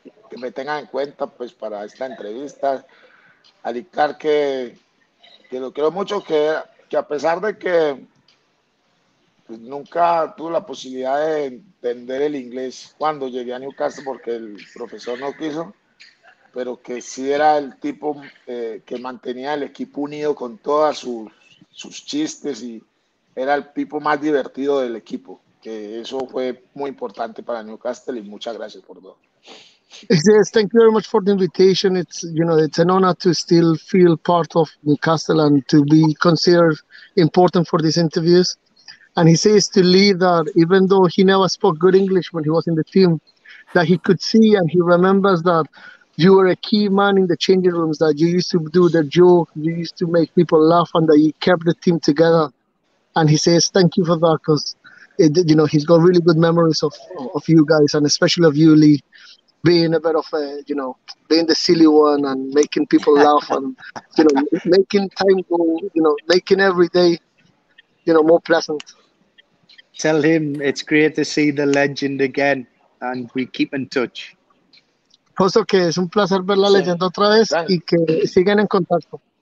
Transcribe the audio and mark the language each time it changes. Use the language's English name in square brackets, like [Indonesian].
[Spanish] Que me tengan en cuenta pues para esta entrevista, alicar que lo quiero mucho, que a pesar de que pues, nunca tuve la posibilidad de entender el inglés cuando llegué a Newcastle porque el profesor no quiso, pero que sí era el tipo que mantenía el equipo unido con todas sus chistes y era el tipo más divertido del equipo, que eso fue muy importante para Newcastle, y muchas gracias por todo. [English] Yes, thank you very much for the invitation. It's, it's an honor to still feel part of Newcastle and to be considered important for these interviews. And he says to Lee that even though he never spoke good English when he was in the team, that he could see and he remembers that you were a key man in the changing rooms, that you used to do the joke, you used to make people laugh, and that you kept the team together. And he says, thank you for that, because you know, he's got really good memories of you guys, and especially of you, Lee, being a bit of a, you know, being the silly one and making people laugh and, you know, making time go, you know, making every day, you know, more pleasant. Tell him it's great to see the legend again, and we keep in touch. [Spanish] Pues ok, es un placer ver la leyenda otra vez y que sigan en contacto.